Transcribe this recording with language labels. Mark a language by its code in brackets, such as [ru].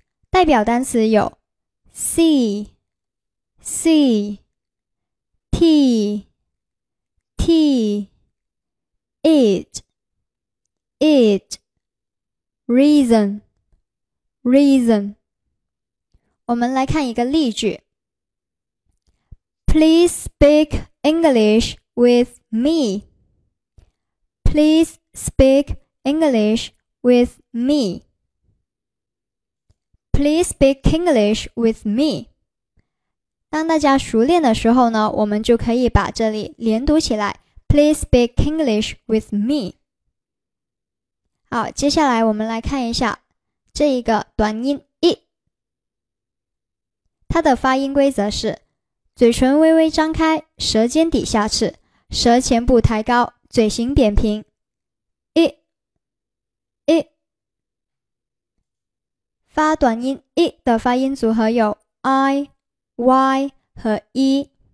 [zh] 代表单词有 [en] see、see、t、t、it、it、reason、reason。 [zh] 我们来看一个例句。 [en] Please speak English with me. Please speak English with me. Please speak English with me. [zh] 当大家熟练的时候呢，我们就可以把这里连读起来。 [en] Please speak English with me. [zh] 好，接下来我们来看一下这一个短音 e， 它的发音规则是嘴唇微微张开，舌尖抵下齿，舌前部抬高，嘴型扁平。一，一，发短音一的发音组合有 i、y 和 e。